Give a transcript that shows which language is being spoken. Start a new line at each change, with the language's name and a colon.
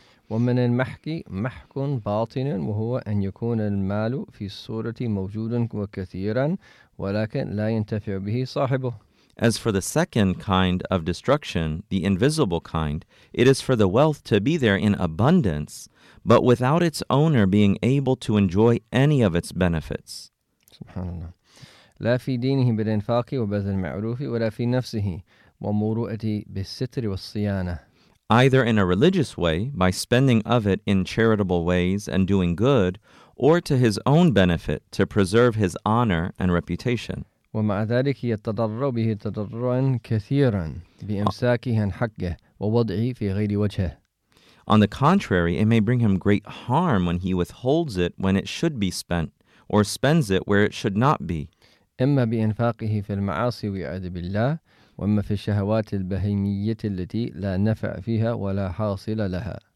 Arabic: وَمِنَ الْمَحْكِ مَحْكٌ بَاطِنٌ وَهُوَ أَنْ يَكُونَ الْمَالُ فِي الصُّورَةِ مَوْجُودٌ وَكَثِيرًا وَلَكِنْ لَا يَنْتَفِعُ بِهِ صَاحِبُهُ.
English: As for the second kind of destruction, the invisible kind, it is for the wealth to be there in abundance, but without its owner being able to enjoy any of its benefits.
Arabic: Subhanallah. لا في دينه بالإنفاق وبذل المعروف ولا في نفسه ومرؤته بالستر والصيانة.
English: Either in a religious way, by spending of it in charitable ways and doing good, or to his own benefit, to preserve his honor and reputation.
Arabic: ومع ذلك يتضرر به تضررا كثيرا بإمساكه عن حقه ووضعه في غير وجهه.
English: On the contrary, it may bring him great harm when he withholds it when it should be spent, or spends it where it should not be.
Arabic: إما بإنفاقه في المعاصي ويعوذ بالله وإما في الشهوات البهيمية التي لا نفع فيها ولا حاصل لها.